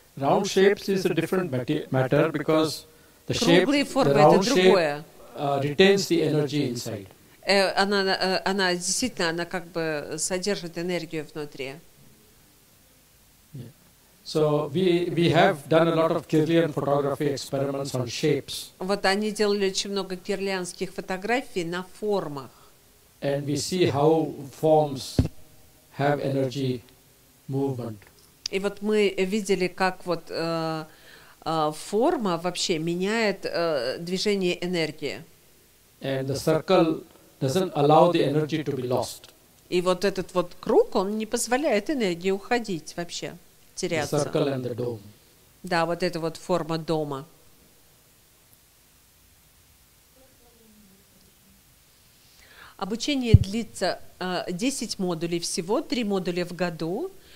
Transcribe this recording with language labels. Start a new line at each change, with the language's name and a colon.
English: Round shapes is a different matter because the
Russian: круглые
English: shape,
Russian: формы
English: the round shape,
Russian: другое.
English: Retains the energy inside.
Russian: она действительно, она как бы содержит энергию внутри.
English: So we have done a lot of Kirlian photography experiments on shapes.
Russian: Вот они делали очень много кирлианских фотографий на формах.
English: And we see how forms have energy movement.
Russian: И вот мы видели, как вот форма вообще меняет движение энергии.
English: And the circle doesn't allow the energy to be lost.
Russian: И вот этот вот круг, он не позволяет энергии уходить вообще.
English: The circle and the dome.
Russian: Да, вот эта вот форма дома. Обучение длится 10 модулей всего, 3 модуля в году.